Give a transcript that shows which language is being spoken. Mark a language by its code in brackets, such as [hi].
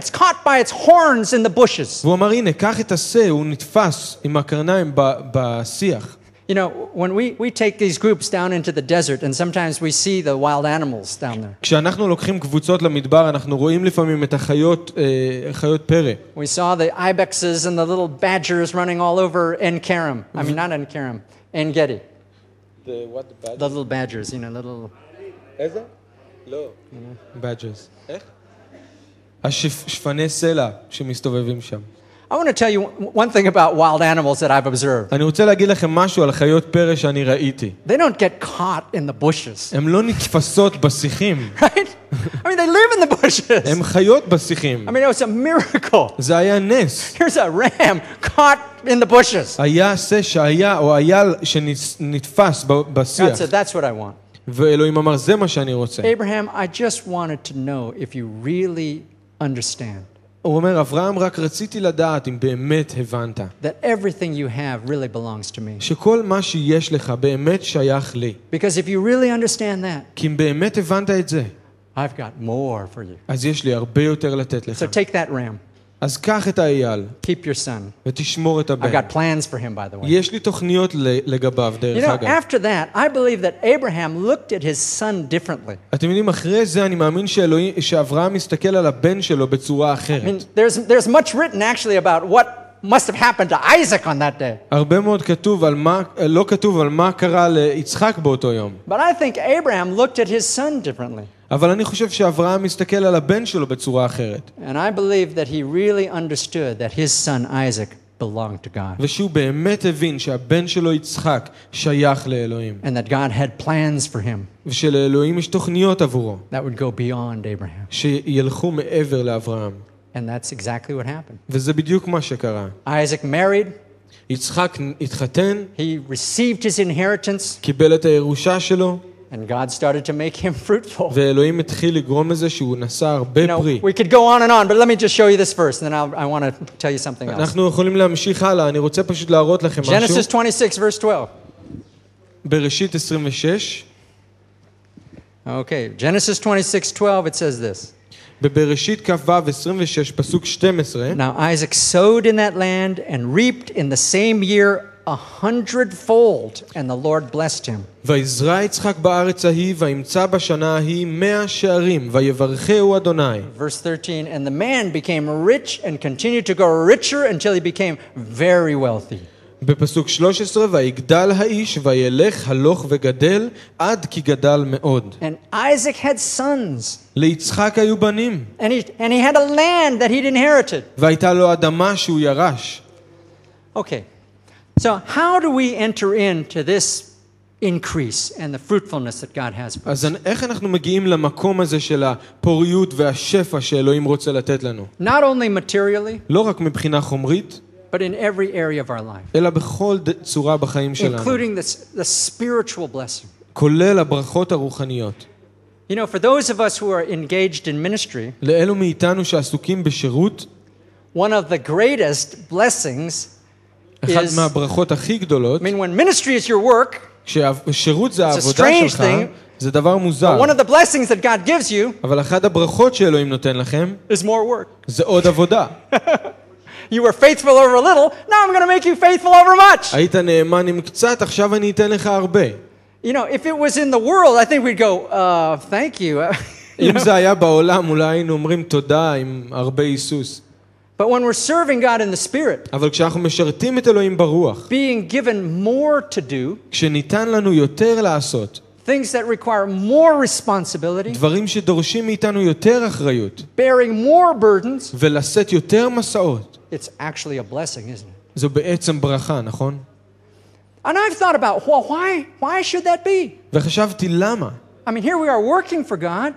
[en] It's caught by its horns in the bushes. [he] והוא אמר, הנה, קח את השה, הוא נתפס עם הקרניים בשיח. [en] You know, when we take these groups down into the desert and sometimes we see the wild animals down there. [he] כשאנחנו לוקחים קבוצות למדבר אנחנו רואים לפעמים את החיות חיות פרא. [en] We saw the ibexes and the little badgers running all over En Kerem. I mean not En Kerem, En Gedi. The what the badgers? The little badgers, you know, little [he] איזה? לא. [en] Badgers. [he] איך? השפני סלע שמסתובבים שם. [en] I want to tell you one thing about wild animals that I've observed. [he] אני רוצה להגיד לכם משהו על חיות פרא שאני ראיתי. [en] They don't get caught in the bushes. [he] הם לא נתפסות בשיחים. [en] Right? I mean they live in the bushes. [he] הם חיות בשיחים. [en] I mean it was a miracle. [he] זה היה נס. [en] Here's a ram caught in the bushes. [he] היה שה שהיה או אייל שנתפס בשיח. [en] God said, that's what I want. [he] ואלוהים אמר זה מה שאני רוצה. [en] Abraham, I just wanted to know if you really understand. [he] הוא אומר, אברהם, רק רציתי לדעת אם באמת הבנת. [en] That everything you have really belongs to me. [he] שכל מה שיש לך באמת שייך לי. [en] Because if you really understand that. [he] כי אם באמת הבנת את זה. [en] I've got more for you. [he] אז יש לי הרבה יותר לתת לך. [en] So take that ram. [he] אז קח את האייל. [en] Keep your son. [he] ותשמור את הבן. [en] I've got plans for him, by the way. [he] יש לי תוכניות לגביו, דרך אגב. [en] You know, after that, I believe that Abraham looked at his son differently. [he] אתם יודעים, אחרי זה אני מאמין שאברהם מסתכל על הבן שלו בצורה אחרת. [en] I mean, there's much written actually about what must have happened to Isaac on that day. [he] הרבה מאוד כתוב על מה, לא כתוב על מה קרה ליצחק באותו יום. [en] But I think Abraham looked at his son differently. [he] אבל אני חושב שאברהם מסתכל על הבן שלו בצורה אחרת. [en] And I believe that he really understood that his son Isaac belonged to God. [he] ושהוא באמת הבין שהבן שלו יצחק שייך לאלוהים. [en] And that God had plans for him. [he] ושלאלוהים יש תוכניות עבורו. [en] That would go beyond Abraham. [he] שילכו מעבר לאברהם. [en] And that's exactly what happened. [he] וזה בדיוק מה שקרה. [en] Isaac married. [he] יצחק התחתן. [en] He received his inheritance. [he] קיבל את הירושה שלו. [en] And God started to make him fruitful. [he] ואלוהים התחיל לגרום לזה שהוא נשא הרבה פרי. [en] We could go on and on, but let me just show you this verse and then I want to tell you something else. [he] אנחנו יכולים להמשיך הלאה, אני רוצה פשוט להראות לכם משהו. [en] Genesis 26 verse 12. [he] בראשית 26. [en] Okay, Genesis 26:12 it says this. [he] בבראשית כ"ו 26 פסוק 12. [en] Now Isaac sowed in that land and reaped in the same year 100-fold and the Lord blessed him. [he] ויזרה יצחק בארץ ההיא וימצא בשנה ההיא 100 שערים ויברכהו אדוני. [en] Verse 13, and the man became rich and continued to grow richer until he became very wealthy. [he] בפסוק 13, ויגדל האיש וילך הלוך וגדל עד כי גדל מאוד. [en] And Isaac had sons. [he] ליצחק היו בנים. [en] And he had a land that he'd inherited. [he] והייתה לו אדמה שהוא ירש. [en] Okay. So how do we enter into this increase and the fruitfulness that God has for us? [he] אז איך אנחנו מגיעים למקום הזה של הפוריות והשפע שאלוהים רוצה לתת לנו? [en] Not only materially, [he] לא רק מבחינה חומרית, [en] but in every area of our life. [he] אלא בכל צורה בחיים שלנו. [en] Including the spiritual blessing. [he] כולל הברכות הרוחניות. [en] You know, for those of us who are engaged in ministry, [he] לאלו מאיתנו שעסוקים בשירות, [en] one of the greatest blessings [he] אחד מהברכות הכי גדולות. [en] I mean, when ministry is your work, [he] כששירות זה העבודה שלך, זה דבר מוזר. [en] One of the blessings that God gives you, [he] אבל אחד הברכות שאלוהים נותן לכם, [en] is more work. [he] זה עוד עבודה. [en] You were faithful over a little, now I'm going to make you faithful over much. [he] היית נאמן עם קצת, עכשיו אני אתן לך הרבה. [en] You know, if it was in the world, I think we'd go, thank you. [he] אם זה היה בעולם, אולי היינו אומרים תודה עם הרבה היסוס. [en] But when we're serving God in the spirit, [he] אבל כשאנחנו משרתים את אלוהים ברוח, [en] being given more to do, [he] כשניתן לנו יותר לעשות, [en] things that require more responsibility, [he] דברים שדורשים מאיתנו יותר אחריות, [en] bearing more burdens, [he] ולשאת יותר משאות, [en] it's actually a blessing, isn't it? [he] זו בעצם ברכה, נכון? [en] And I've thought about, well, why should that be? [he] וחשבתי למה? [en] I mean, here we are working for God.